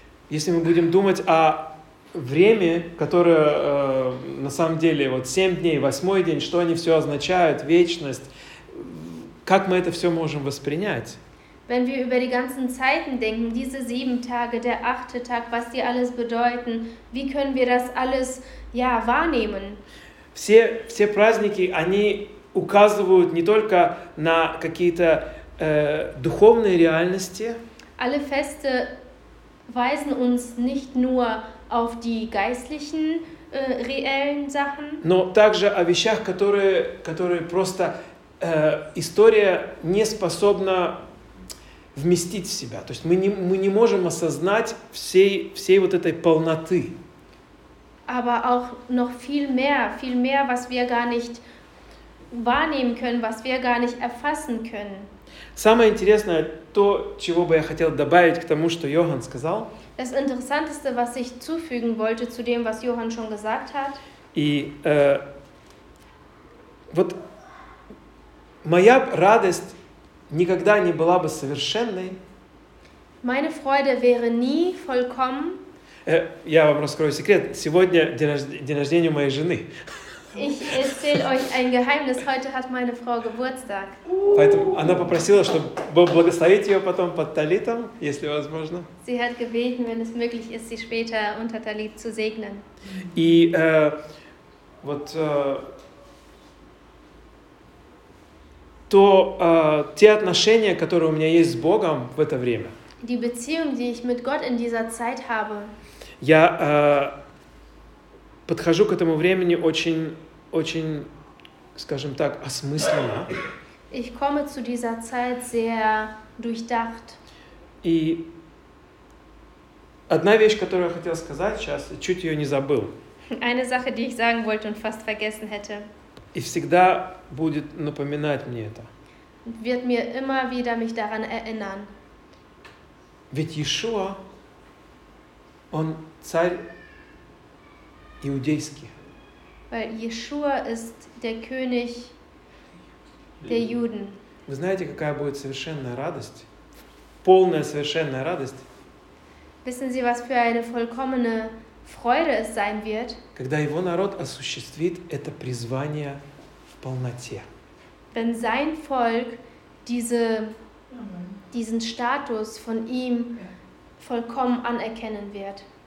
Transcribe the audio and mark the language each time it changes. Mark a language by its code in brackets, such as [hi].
[ru] Если мы будем думать о время, которое на самом деле вот 7 дней, 8 день, что они все означают, вечность, как мы это все можем воспринять? [de] Wenn wir über die ganzen Zeiten denken, diese sieben Tage, der achte Tag, was die alles bedeuten, wie können wir das alles, ja, wahrnehmen? [ru] Все праздники, они указывают не только на какие-то духовные реальности. [de] Alle Feste weisen uns nicht nur auf die geistlichen, reellen Sachen. [ru] Но также о вещах, которые просто история не способна вместить в себя. То есть мы не можем осознать всей вот этой полноты. [de] Aber auch noch viel mehr, was wir gar nicht wahrnehmen können, was wir gar nicht erfassen können. [ru] Самое интересное то, чего бы я хотел добавить к тому, что Йоганн сказал. [de] Das Interessanteste, was ich zufügen wollte zu dem, was Йоганн schon gesagt hat. [ru] И вот моя радость никогда не была бы совершенной. [de] Meine Freude wäre nie vollkommen. [ru] Я вам раскрою секрет. Сегодня день рождения моей жены. [de] Ich erzähle euch ein Geheimnis. Heute hat meine Frau Geburtstag. [ru] Поэтому она попросила, чтобы благословить ее потом под талитом, если возможно. [de] Sie hat gebeten, wenn es möglich ist, sie später unter Talit zu segnen. [ru] И вот то те отношения, которые у меня есть с Богом в это время. [de] Die Beziehung, die ich mit Gott in dieser Zeit habe. [ru] Я подхожу к этому времени очень, очень, скажем так, осмысленно. [de] Ich komme zu dieser Zeit sehr durchdacht. [ru] И одна вещь, которую я хотел сказать сейчас, чуть ее не забыл. [de] Eine Sache, die ich sagen wollte und fast vergessen hätte. [ru] И всегда будет напоминать мне это. [de] Wird mir immer wieder mich daran erinnern. [ru] Ведь Иешуа, он царь иудейский. [de] Weil Yeshua ist der König der Juden. [ru] Вы знаете, какая будет совершенная радость? Полная совершенная радость. [de] Wissen Sie, was für eine vollkommene Freude es sein wird? [ru] Когда его народ осуществит это призвание в полноте. [de] Wenn sein Volk diese diesen Status von ihm vollkommen anerkennen wird.